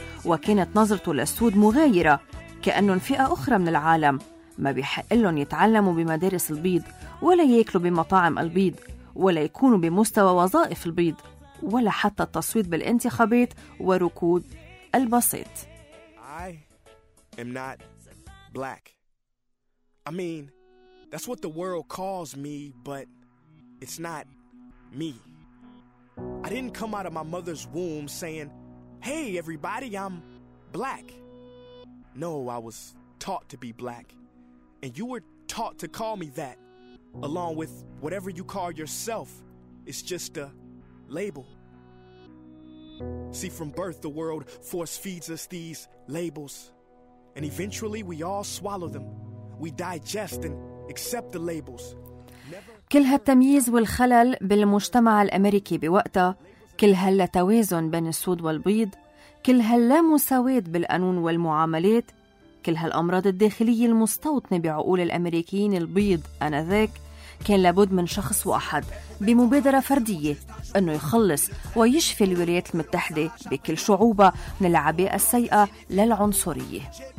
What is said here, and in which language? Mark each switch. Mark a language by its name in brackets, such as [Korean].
[Arabic] وكانت نظرته للسود مغايرة كأنهم فئة أخرى من العالم ما بيحق لهم يتعلموا بمدارس البيض ولا يأكلوا بمطاعم البيض ولا يكونوا بمستوى وظائف البيض ولا حتى التصويت بالانتخابات وركود البسيط. [English] I am not black. I mean, that's what the world calls me, but it's not me. I didn't come out of my mother's womb saying, hey everybody, I'm black. No, I was taught to be black. And you were taught to call me that, along with whatever you call yourself. It's just a label. See, from birth, the world force-feeds us these labels. And eventually, we all swallow them. We digest and accept the labels. [Arabic] كل هالتمييز والخلل بالمجتمع الأمريكي بوقتها، كل هاللاتوازن بين السود والبيض، كل هاللامساواة بالقانون والمعاملات، كل هالأمراض الداخلية المستوطنة بعقول الأمريكيين البيض آنذاك، كان لابد من شخص واحد بمبادرة فردية أنه يخلص ويشفي الولايات المتحدة بكل شعوبها من العباءة السيئة للعنصرية.